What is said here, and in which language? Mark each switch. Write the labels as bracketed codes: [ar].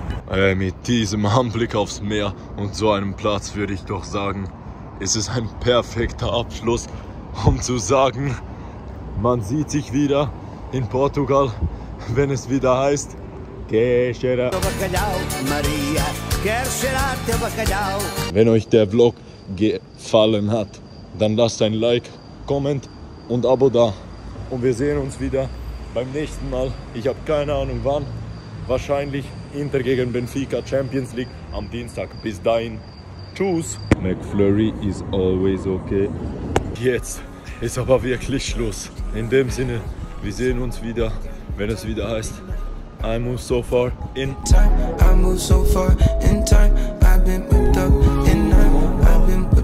[de] Ey, mit diesem Anblick aufs Meer und so einem Platz würde ich doch sagen, ist es ein perfekter Abschluss, um zu sagen, man sieht sich wieder in Portugal, wenn es wieder heißt, wenn euch der Vlog gefallen hat, dann lasst ein Like, Comment und Abo da. Und wir sehen uns wieder beim nächsten Mal. Ich habe keine Ahnung wann, wahrscheinlich Inter gegen Benfica Champions League am Dienstag. Bis dahin. Tschüss. [en] McFlurry is always okay. [de] Jetzt ist aber wirklich Schluss. In dem Sinne, wir sehen uns wieder, wenn es wieder heißt. [en] I move so far in time. I move so far in time. I've been whipped up in time. I've been whipped up.